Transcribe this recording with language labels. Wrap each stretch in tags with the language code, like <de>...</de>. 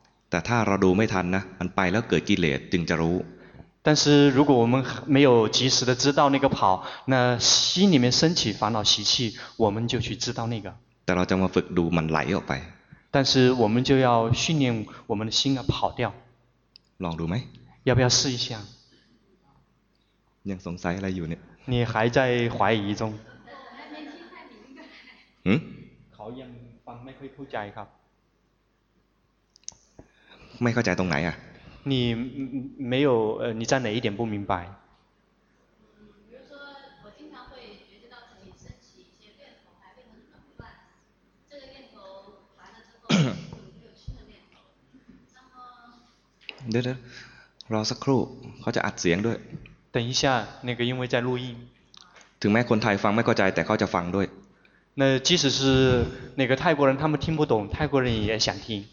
<th>แต่ถ้าเราดูไม่ทันนะมันไปแล้วเกิดกิเลสจึงจะรู้</th> <zh>但是如果我们没有及时的知道那个跑那心里面升起烦恼习气我们就去知道那个</zh> <th>แต่เราจะมาฝึกดูมันไหลออกไป</th> <zh>但是我们就要训练我们的心啊跑掉</zh> <th>ลองดูไหม</th> <zh>要不要试一下</zh> <th>ยังสงสัยอะไรอยู่เนี่ย</th> <zh>你还在怀疑中嗯</zh> <th>เขายังฟังไม่ค่อยเข้าใจครับ ไม่เข้าใจตรงไหนอ่ะ</th> <zh>你没有你在哪一点不明白</zh> <th>เดี๋ยวรอสักครู่เขาจะอัดเสียงด้วย</th> <zh>等一下那个因为在录音</zh> <th>ถึงแม้คนไทยฟังไม่เข้าใจแต่เขาจะฟังด้วย</th> <zh>那即使是那个泰国人他们听不懂泰国人也想听</zh>